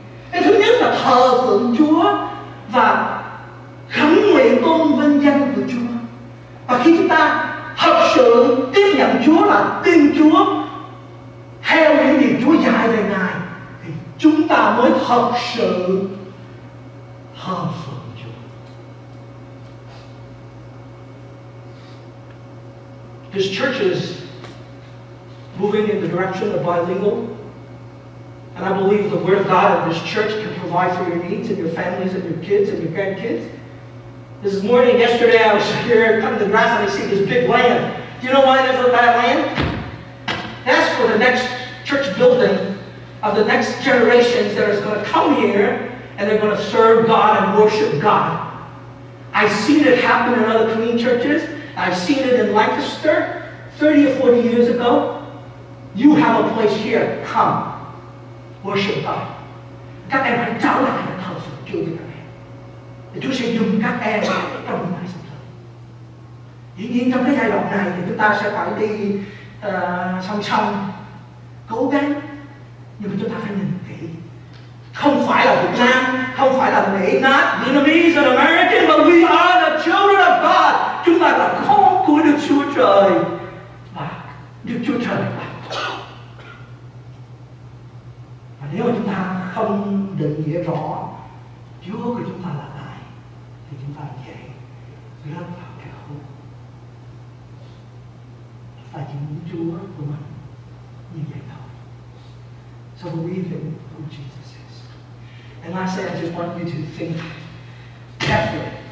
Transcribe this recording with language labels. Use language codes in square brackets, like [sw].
[vi] Cái thứ nhất là thờ phượng Chúa và khấn nguyện tôn vinh danh của Chúa. Và khi chúng ta thật sự tiếp nhận Chúa là tin Chúa theo những điều Chúa dạy về Ngài thì chúng ta mới thật sự thờ phượng Chúa. [en] This church is moving in the direction of bilingual, and I believe the Word of God of this church can provide for your needs and your families and your kids and your grandkids. This morning, yesterday, I was here cutting the grass and I see this big land. Do you know why there's a bad land? That's for the next church building of the next generations that is going to come here and they're going to serve God and worship God. I've seen it happen in other Korean churches. I've seen it in Lancaster 30 or 40 years ago. You have a place here. Come. Worship God. [vi] Các em hãy trở lại và thờ phượng Chúa đi. Thì Chúa sẽ dùng các em trong lại sự thật. Dĩ nhiên trong cái giai đoạn này thì chúng ta sẽ phải đi song song cố gắng. Nhưng mà chúng ta phải nhìn kỹ. Không phải là Việt Nam, không phải là Mỹ. [en] Not Vietnamese or American, but we are the children of God. [vi] Chúng ta là con của Đức Chúa Trời. Và Đức Chúa Trời là và nếu mà chúng ta không định nghĩa rõ Chúa của chúng ta là ai thì chúng ta dễ rớt vào cái hố. Chúng ta chỉ muốn Chúa của mình như vậy thôi. [en] So believe in who Jesus is. And lastly, I just want you to think carefully.